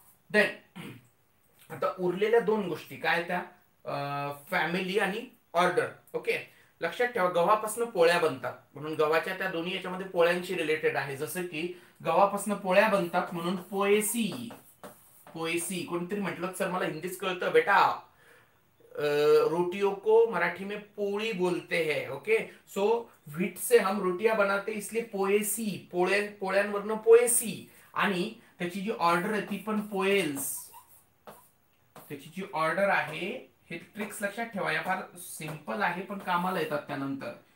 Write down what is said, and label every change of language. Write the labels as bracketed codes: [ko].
[mr] Then आता उरलेल्या दोन गोष्टी काय? त्या फॅमिली आणि ऑर्डर. ओके, लक्षात ठेवा गव्हापासून पोळ्या बनतात म्हणून गव्हाच्या त्या दोन्ही याच्यामध्ये पोळ्यांशी रिलेटेड आहे. जसं की गव्हापासून पोळ्या बनतात म्हणून पोएसी, पोएसी कोणतरी म्हटलं सर मला हिंदीच कळतं बेटा. [hi] रोटियों को मराठी में पोळी बोलते है. ओके, सो व्हीट से हम रोटिया बनाते इसलिए पोएसी, [mr] पोळे पोळ्यांवरनं पोएसी. आणि त्याची जी ऑर्डर आहे ती पण पोएल्स. त्याची जी ऑर्डर आहे, हे ट्रिक्स लक्षात ठेवा, या फार सिंपल आहे पण कामाला येतात त्यानंतर.